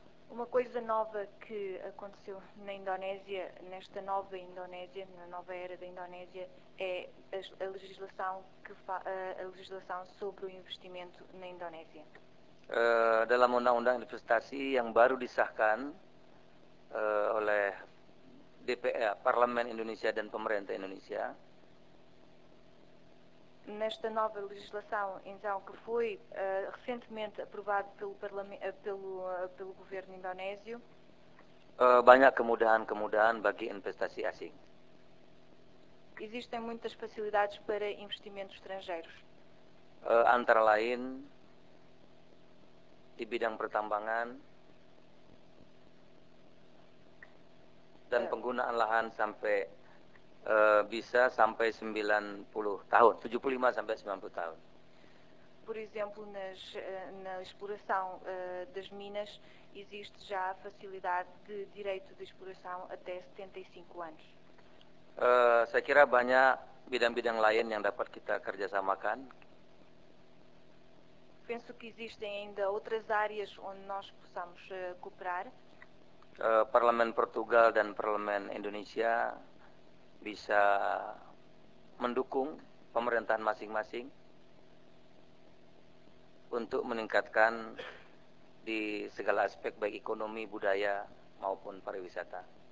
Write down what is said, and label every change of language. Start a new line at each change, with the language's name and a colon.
Portuguese: Uma coisa nova que aconteceu na Indonésia, nesta nova Indonésia, na nova era da Indonésia, é a legislação sobre o investimento na Indonésia.
Indonesian: Dalam undang-undang investasi yang baru disahkan oleh DPR, Parlemen Indonesia dan Pemerintah Indonesia.
Portuguese: Nesta nova legislação, então, que foi recentemente aprovada pelo governo indonésio.
Indonesian: Banyak kemudahan-kemudahan bagi investasi asing.
Portuguese: existem muitas facilidades para investimentos estrangeiros.
Indonesian: Antara lain di bidang pertambangan dan penggunaan lahan sampai bisa sampai 90 tahun, 75 sampai 90 tahun.
Portuguese: Por exemplo, na exploração das minas, existe já a facilidade de direito de exploração até 75 anos.
Indonesian: Saya kira banyak bidang-bidang lain yang dapat kita kerjasamakan.
Portuguese: Penso que existem ainda outras áreas onde nós possamos cooperar.
Indonesian: Parlemen Portugal dan Parlemen Indonesia bisa mendukung pemerintahan masing-masing untuk meningkatkan di segala aspek baik ekonomi, budaya maupun pariwisata.